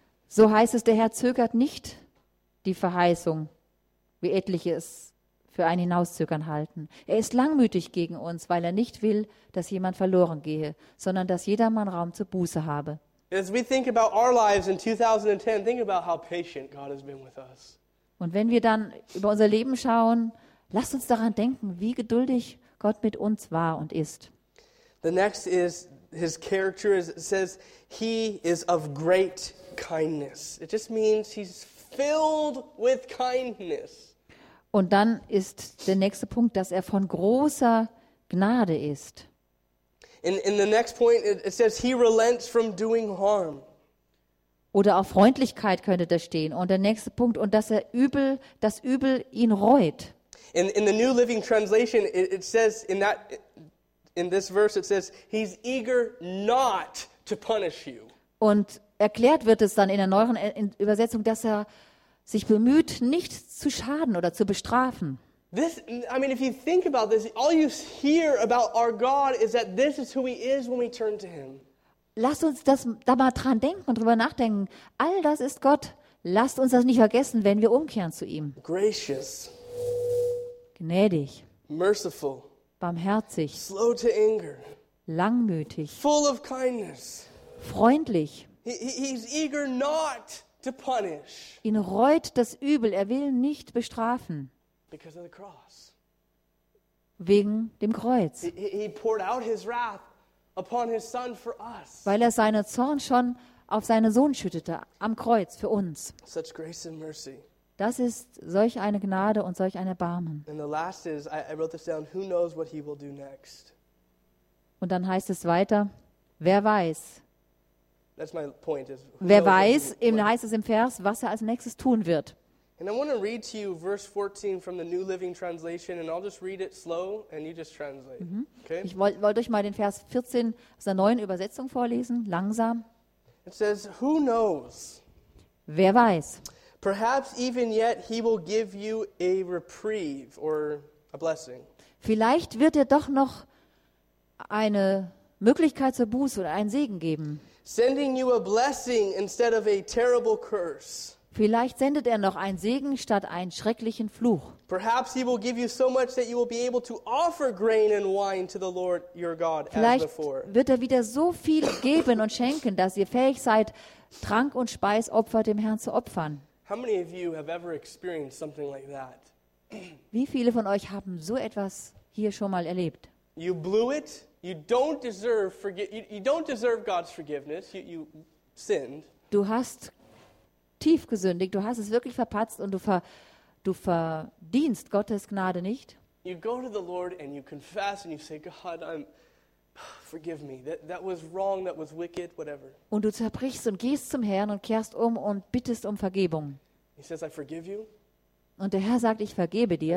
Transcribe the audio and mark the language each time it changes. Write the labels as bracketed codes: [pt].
[de] So heißt es, der Herr zögert nicht die Verheißung, wie etliche es für ein Hinauszögern halten. Er ist langmütig gegen uns, weil er nicht will, dass jemand verloren gehe, sondern dass jedermann Raum zur Buße habe. [en] As we think about our lives in 2010, think about how patient God has been with us. [de] Und wenn wir dann über unser Leben schauen, lasst uns daran denken, wie geduldig Gott mit uns war und ist. [en] The next is his character is, it says he is of great kindness. It just means he's filled with kindness. [de] Und dann ist der nächste Punkt, dass er von großer Gnade ist. [en] In the next point, it says he relents from doing harm. [de] Oder auch Freundlichkeit könnte da stehen. Und der nächste Punkt, und dass er Übel, das Übel ihn reut. [en] In the New Living Translation, it says in this verse, it says he's eager not to punish you. [de] Und erklärt wird es dann in der neueren Übersetzung, dass er sich bemüht, nicht zu schaden oder zu bestrafen. [en] This, I mean, if you think about this, all you hear about our God is that this is who he is when we turn to him. [de] Lasst uns das da mal dran denken und drüber nachdenken. All das ist Gott. Lasst uns das nicht vergessen, wenn wir umkehren zu ihm. [en] Gracious. [de] Gnädig. [en] Merciful. [de] Barmherzig. [en] Slow to anger. [de] Langmütig. [en] Full of kindness. [de] Freundlich. [en] He's eager not to punish. [de] Ihn reut das Übel. Er will nicht bestrafen. [en] Because of the cross. [de] Wegen dem Kreuz. [en] He poured out his wrath upon his son for us. [de] Weil er seinen Zorn schon auf seinen Sohn schüttete, am Kreuz, für uns. [en] Such grace and mercy. [de] Das ist solch eine Gnade und solch ein Erbarmen. [en] And the last is, I wrote this down, who knows what he will do next? [de] Und dann heißt es weiter, wer weiß? [en] That's my point. Is, [de] wer weiß, heißt es im Vers, was er als nächstes tun wird. [en] And I want to read to you verse 14 from the New Living Translation, and I'll just read it slow, and you just translate. Mm-hmm. Okay? [de] Ich wollte euch mal den Vers 14 aus der neuen Übersetzung vorlesen, langsam. [en] It says, who knows? [de] Wer weiß? [en] Perhaps even yet he will give you a reprieve or a blessing. [de] Vielleicht wird er doch noch eine Möglichkeit zur Buße oder einen Segen geben. [en] Sending you a blessing instead of a terrible curse. [de] Vielleicht sendet er noch einen Segen statt einen schrecklichen Fluch. [en] Perhaps he will give you so much that you will be able to offer grain and wine to the Lord your God as [de] vielleicht [en] before. [de] Vielleicht wird er wieder so viel geben und schenken, dass ihr fähig seid, Trank und Speisopfer dem Herrn zu opfern. [en] How many of you have ever experienced something like that? [de] Wie viele von euch haben so etwas hier schon mal erlebt? [en] You blew it. You don't deserve God's forgiveness. You sinned. [de] Du hast tief gesündigt, du hast es wirklich verpatzt und du verdienst Gottes Gnade nicht. [en] You go to the Lord and you confess and you say, God, I'm forgive me. That was wrong, that was wicked, whatever. [de] Und du zerbrichst und gehst zum Herrn und kehrst um und bittest um Vergebung. [en] He says, I forgive you. [de] Und der Herr sagt, ich vergebe dir.